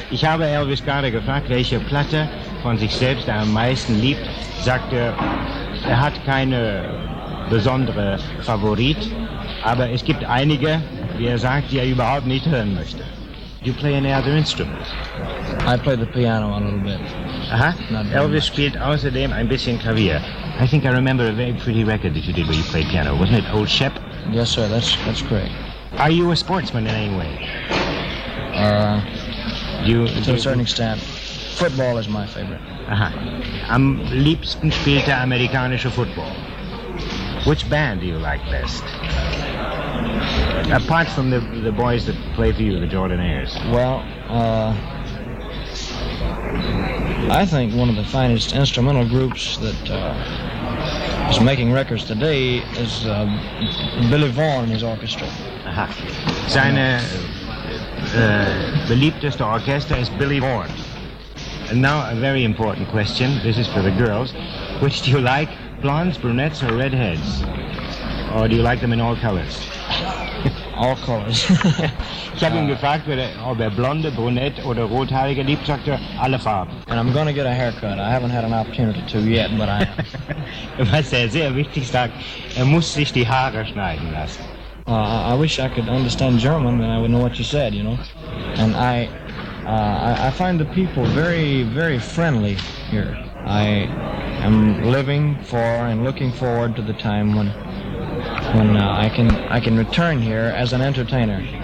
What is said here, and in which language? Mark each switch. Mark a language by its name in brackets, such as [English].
[German] Ich habe Elvis gerade gefragt, welche Platte von sich selbst er am meisten liebt. Sagt er hat keine besondere Favorit, aber es gibt einige, wie er sagt, die er überhaupt nicht hören möchte. [English] Do you play any other instruments? I play the piano a little bit. Uh-huh. [German] Elvis spielt außerdem ein bisschen Klavier. [English] I think I remember a very pretty record that you did where you played piano. Wasn't it Old Shep? Yes, sir. That's great. Are you a sportsman in any way? To a certain extent. Football is my favorite. Aha. [German] Am liebsten spielt der amerikanische Football. [English] Which band do you like best? Apart from the boys that play for you, the Jordanaires. Well, I think one of the finest instrumental groups that is making records today is Billy Vaughan and his orchestra. Aha. [German] Seine beliebteste Orchester ist Billy Vaughan. [English] And now a very important question. This is for the girls. Which do you like, blondes, brunettes, or redheads? Or do you like them in all colors? All colors. [German] Ich habe ihn gefragt, ob er blonde, brunette oder rothaarige liebt, sagt er, alle Farben. [English] And I'm going to get a haircut. I haven't had an opportunity to yet, but I am. [German] Was er sehr wichtig sagt, er muss sich die Haare schneiden lassen. [English] I wish I could understand German, then I would know what you said, you know. And I find the people very, very friendly here. I am living for and looking forward to the time when I can return here as an entertainer.